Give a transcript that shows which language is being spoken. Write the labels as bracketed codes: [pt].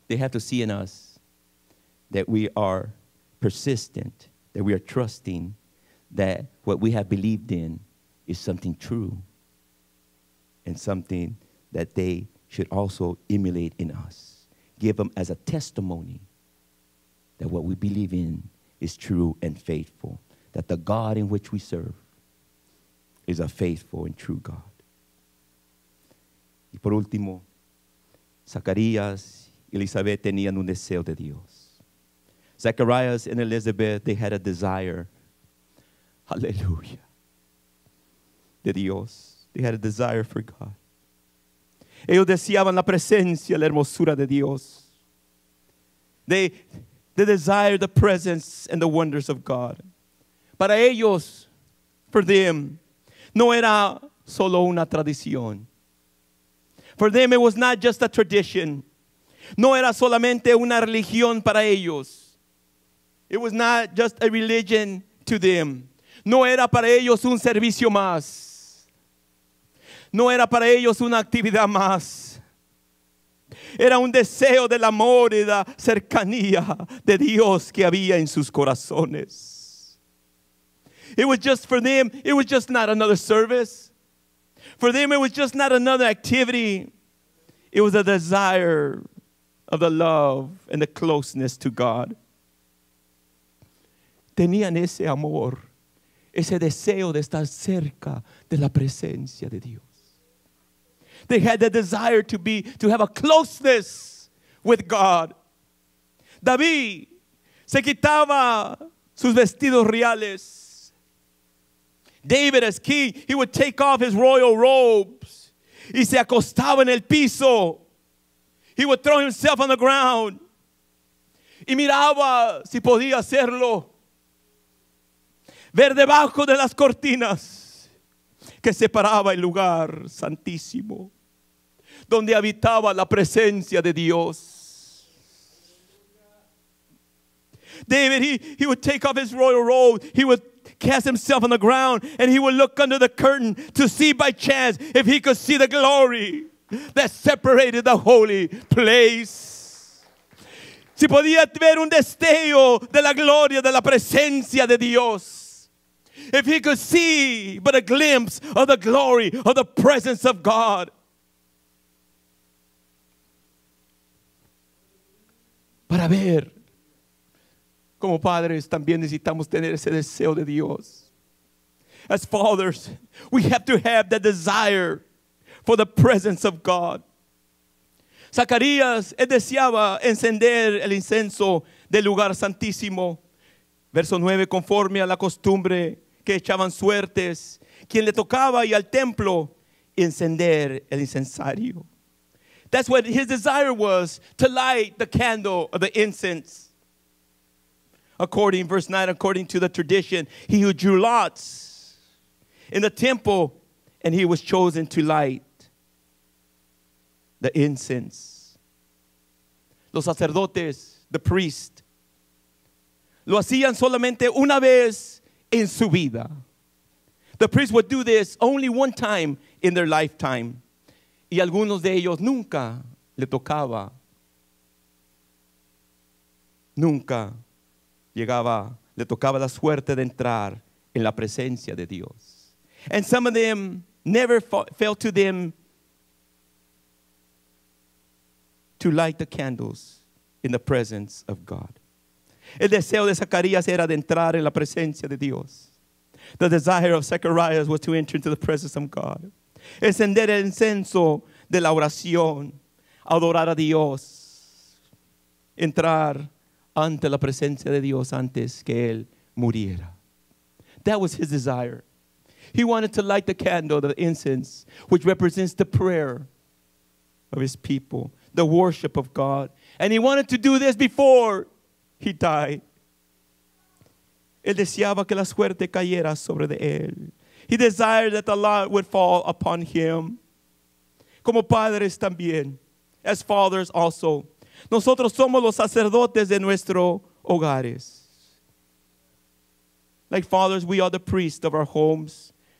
[en] They have to see in us that we are persistent, that we are trusting, that what we have believed in is something true and something that they should also emulate in us. Give them as a testimony that what we believe in is true and faithful, that the God in which we serve is a faithful and true God. [es] Y por último, Zacarías y Elizabeth tenían un deseo de Dios. [en] Zacarías and Elizabeth, they had a desire. Hallelujah. [es] De Dios. [en] They had a desire for God. [es] Ellos deseaban la presencia, la hermosura de Dios. [en] They desire the presence and the wonders of God. [es] Para ellos, [en] for them, [es] no era solo una tradición. [en] For them, it was not just a tradition. [es] No era solamente una religión para ellos. [en] It was not just a religion to them. [es] No era para ellos un servicio más. No era para ellos una actividad más. Era un deseo del amor y la cercanía de Dios que había en sus corazones. [en] It was just for them, it was just not another service. For them, it was just not another activity. It was a desire of the love and the closeness to God. [es] Tenían ese amor, ese deseo de estar cerca de la presencia de Dios. [en] They had the desire to have a closeness with God. [es] David se quitaba sus vestidos reales. [en] David, as king, he would take off his royal robes. [es] Y se acostaba en el piso. [en] He would throw himself on the ground. [es] Y miraba si podía hacerlo. Ver debajo de las cortinas que separaba el lugar santísimo, donde habitaba la presencia de Dios. [en] David, he would take off his royal robe. He would cast himself on the ground. And he would look under the curtain to see by chance if he could see the glory that separated the holy place. [es] Si podía ver un destello de la gloria de la presencia de Dios. [en] If he could see but a glimpse of the glory of the presence of God. [es] Para ver, como padres también necesitamos tener ese deseo de Dios. [en] As fathers, we have to have that desire for the presence of God. [es] Zacarías deseaba encender el incenso del lugar santísimo. Verso 9, conforme a la costumbre que echaban suertes, quien le tocaba y al templo encender el incensario. [en] That's what his desire was, to light the candle of the incense. According, verse 9, according to the tradition, he who drew lots in the temple, and he was chosen to light the incense. [es] Los sacerdotes, [en] the priest, [es] lo hacían solamente una vez en su vida. [en] The priest would do this only one time in their lifetime. [es] Y algunos de ellos nunca le tocaba. Nunca llegaba, le tocaba la suerte de entrar en la presencia de Dios. [en] And some of them never fell to them to light the candles in the presence of God. [es] El deseo de Zacarías era de entrar en la presencia de Dios. [en] The desire of Zacarías was to enter into the presence of God. [es] Encender el incenso de la oración. Adorar a Dios. Entrar ante la presencia de Dios antes que él muriera. [en] That was his desire. He wanted to light the candle, the incense, which represents the prayer of his people, the worship of God. And he wanted to do this before he died. [es] Él deseaba que la suerte cayera sobre de él. [en] He desired that the lot would fall upon him. [es] Como padres también, [en] as fathers also. [es] Nosotros somos los sacerdotes de nuestros hogares. [en] Like fathers, we are the priests of our homes.